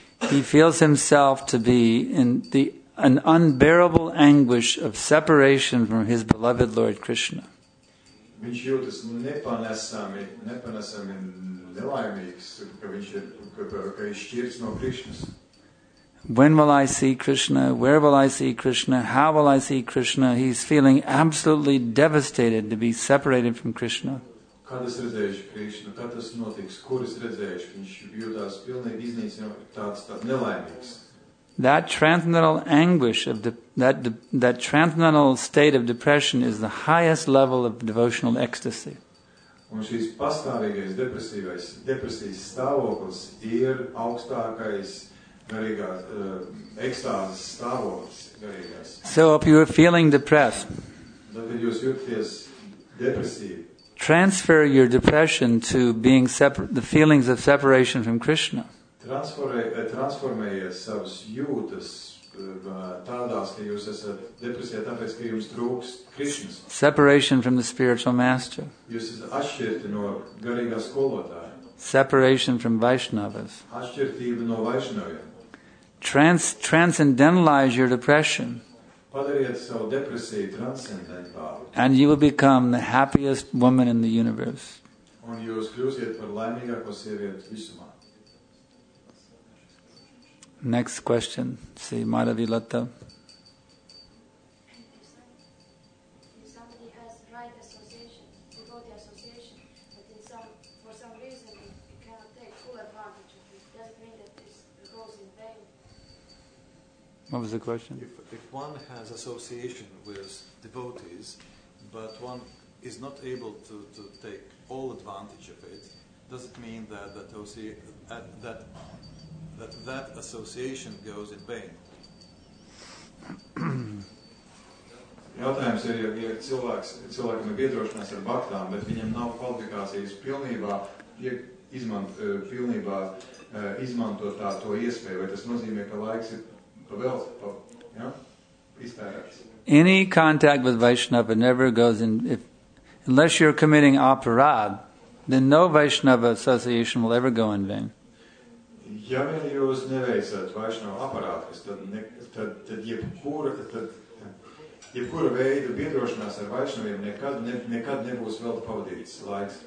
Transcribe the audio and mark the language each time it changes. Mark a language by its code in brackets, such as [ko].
[en] He feels himself to be in an unbearable anguish of separation from his beloved Lord Krishna. [lv] Viņš jūtas nepanesami nelaimīgs, ka viņš šķirts no Krišnas. [en] When will I see Krishna? Where will I see Krishna? How will I see Krishna? He's feeling absolutely devastated to be separated from Krishna. [lv] Kad es redzēšu Krishna? Kad tas notiks? Kur es redzēšu? Viņš jūtas pilnīgi iznīcināts, tāds nelaimīgs. [en] That transcendental anguish of that transcendental state of depression is the highest level of devotional ecstasy. [lv] Un šis pastāvīgais depresijas stāvoklis ir augstākais garīgās ekstāzes stāvoklis garīgās. [en] So if you are feeling depressed, [lv] tad jūs jūties depresīvi. [en] Transfer your depression to being the feelings of separation from Krishna. [lv] Transformējies savas jūtas tādās, ka jūs esat depresijā, tāpēc, ka jums trūks Krišnas. [en] Separation from the spiritual master. [lv] Jūs esat atšķirti no garīgā skolotāja. [en] Separation from Vaishnavas. [lv] Atšķirtība no Vaishnavas. [en] Transcendentalize your depression. [lv] Padariet savu depresiju transcendentālu. [en] And you will become the happiest woman in the universe. Un jūs kļūsiet par laimīgāko sievieti visumā. Next question. See, Madhavi Lata. If somebody has the right association, devotee association, but for some reason he cannot take full advantage of it, does it mean that this goes in vain? What was the question? If one has association with devotees, but one is not able to take all advantage of it, does it mean that association goes in vain? [lv] Jautājums ir, ja cilvēkam ir biedrošanās ar baktām, bet viņam nav kvalifikācijas pilnībā izmantot to iespēju, vai tas nozīmē, ka laiks ir iztērēts? [en] Any contact with Vaishnava never goes in, unless you're committing aparād, then no Vaishnava association will ever go in vain. [lv] Ja vien jūs neveicat Vaishnava aparātus, tad jebkura veida biedrošanās ar Vaishnaviem nekad nebūs vēl pavadīts laiks.